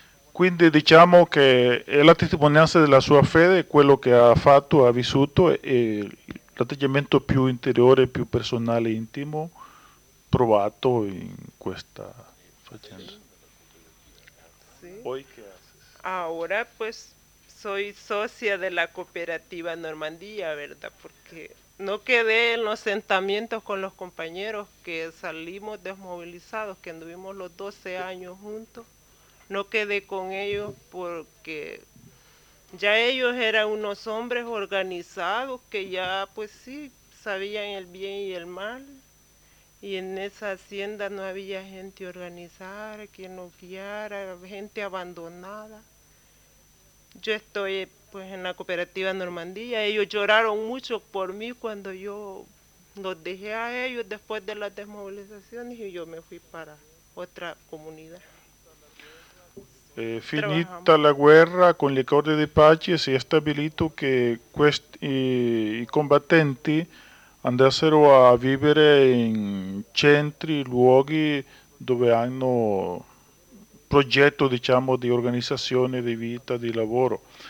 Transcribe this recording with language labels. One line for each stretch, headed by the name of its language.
Italian: Quindi diciamo che è la testimonianza della sua fede, quello che ha fatto, ha vissuto e... l'atteggiamento più interiore, più personale, intimo, provato in questa faccenda.
Spanish: Sí. Hoy, ¿qué haces? Ahora, pues, soy socia de la cooperativa Normandía, ¿verdad? Porque no quedé en los sentamientos con los compañeros que salimos desmovilizados, que anduvimos los 12 años juntos. No quedé con ellos porque... ya ellos eran unos hombres organizados que ya, pues sí, sabían el bien y el mal. Y en esa hacienda no había gente organizada, quien nos guiara, gente abandonada. Yo estoy, pues, en la cooperativa Normandía. Ellos lloraron mucho por mí cuando yo los dejé a ellos después de las desmovilizaciones y yo me fui para otra comunidad.
Italian: Finita la guerra con gli accordi di pace si è stabilito che i combattenti andassero a vivere in centri, luoghi dove hanno progetto, diciamo, di organizzazione, di vita, di lavoro.